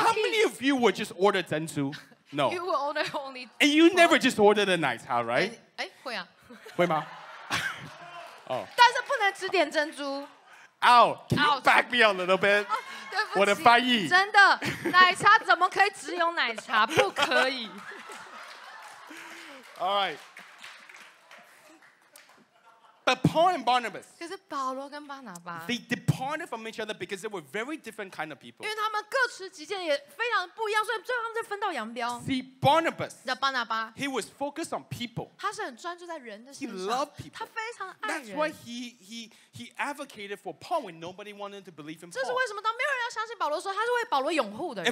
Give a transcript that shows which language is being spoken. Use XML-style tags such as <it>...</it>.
<en>How many of you would just order 珍珠? No. You would order only... And you never just ordered a 奶茶, right?</en> <zh>哎，会啊。会吗？哦。但是不能只点珍珠。</zh> <en>Ow, can you back me a little bit?</en> <zh>我的翻译真的奶茶怎么可以只有奶茶？不可以。</zh> <en>All right. But Paul and Barnabas.</en> <zh>可是保罗跟巴拿巴</zh> <en>They departed from each other because they were very different kind of people.</en> <zh>因为他们各持己见也非常不一样，所以最后他们就分道扬镳。</zh> <en>See Barnabas.</en> <zh>那巴拿巴</zh> <en>He was focused on people.</en> <zh>他是很专注在人的身上。</zh> <en>He loved people.</en> <zh>他非常爱人。</zh> <en>That's why he advocated for Paul when nobody wanted to believe in Paul.</en> <zh>这是为什么？当没有人要相信保罗的时候，他是为保罗拥护的人。</zh>